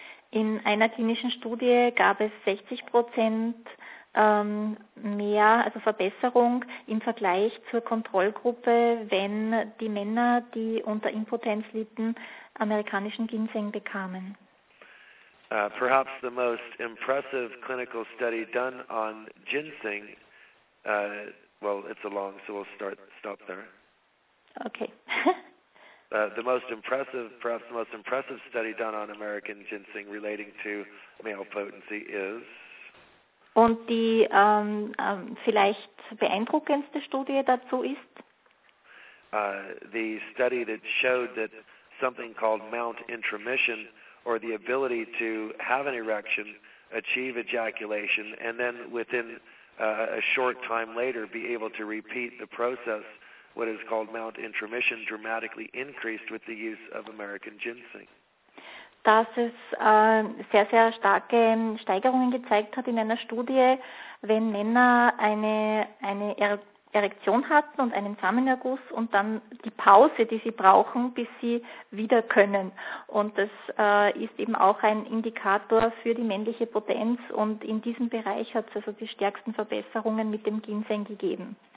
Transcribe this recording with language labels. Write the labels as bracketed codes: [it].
[de] In einer klinischen Studie gab es 60% mehr, also Verbesserung im Vergleich zur Kontrollgruppe, wenn die Männer, die unter Impotenz litten, amerikanischen Ginseng bekamen. [en] Perhaps the most impressive clinical study done on ginseng, well, it's a long, so we'll stop there. Okay. The most impressive study done on American ginseng relating to male potency is? [de] Und die vielleicht beeindruckendste Studie dazu ist? [en] The study that showed that something called Mount Intromission, or the ability to have an erection, achieve ejaculation, and then within a short time later be able to repeat the process, what is called Mount Intromission, dramatically increased with the use of American ginseng. [de] Dass es sehr, sehr starke Steigerungen gezeigt hat in einer Studie, wenn Männer eine Erektion hatten und einen Samenerguss und dann die Pause, die sie brauchen, bis sie wieder können. Und das ist eben auch ein Indikator für die männliche Potenz und in diesem Bereich hat es also die stärksten Verbesserungen mit dem Ginseng gegeben.